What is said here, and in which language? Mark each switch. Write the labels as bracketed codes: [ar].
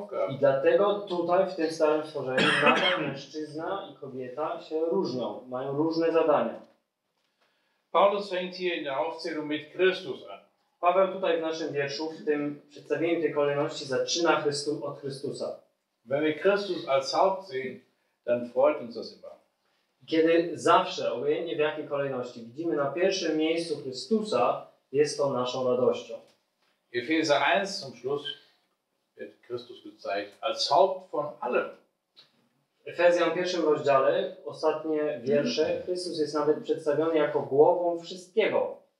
[pl] I dlatego tutaj w tym starym stworzeniu nadal mężczyzna i kobieta się różnią, mają różne zadania. [de] Paulus fängt hier in der Aufzählung mit Christus an. [pl] Paweł tutaj w naszym wierszu, w tym przedstawieniu tej kolejności, zaczyna od Chrystusa. [de] Wenn wir Christus als Haupt sehen, dann freut uns das immer. [pl] Kiedy zawsze, obojętnie w jakiej kolejności, widzimy na pierwszym miejscu Chrystusa, jest to naszą radością. [de] Epheser 1 zum Schluss wird Christus gezeigt als Haupt von allem. [pl] Efezjan w pierwszym rozdziale, ostatnie wiersze, Chrystus jest nawet przedstawiony jako głową wszystkiego.